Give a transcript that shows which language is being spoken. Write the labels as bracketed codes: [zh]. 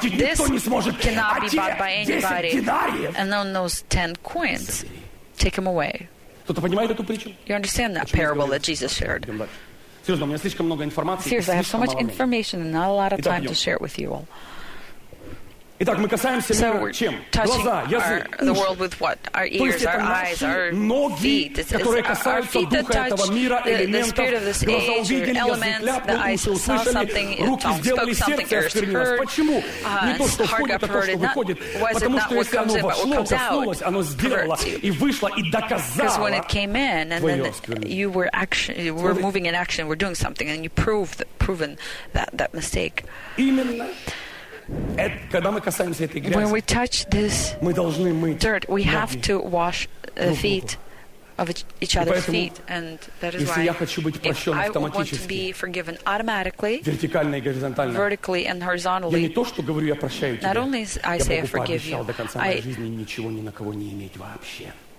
[en] This cannot be bought by anybody. And then those 10 coins, take them away. You understand that parable that Jesus shared? Seriously, I have so much information and not a lot of time to share it with you all. [ru] Итак, мы касаемся мира чем? Глаза, язык, уши. То есть это наши ноги, которые касаются духа этого мира, элементов. Глаза увидели, язык ляпнул, уши услышали, руки сделали, сердце осквернилось. Почему? Не то, что входит, а то, что выходит. Потому что если оно вошло, коснулось, оно сделало и вышло и доказало твое осквернение. Именно. Когда мы касаемся этой грязи, [en] when we touch this [ru] мы должны мыть [en] dirt, we have to wash the feet of each other's [ru] поэтому, [en] feet, and that is why, if I want to be forgiven automatically, [ru] вертикально и горизонтально, [en] vertically and horizontally, [ru] я не то, что говорю, я прощаю тебя, [en] not only I say I forgive you, [ru] до конца моей жизни ничего ни на кого не иметь вообще.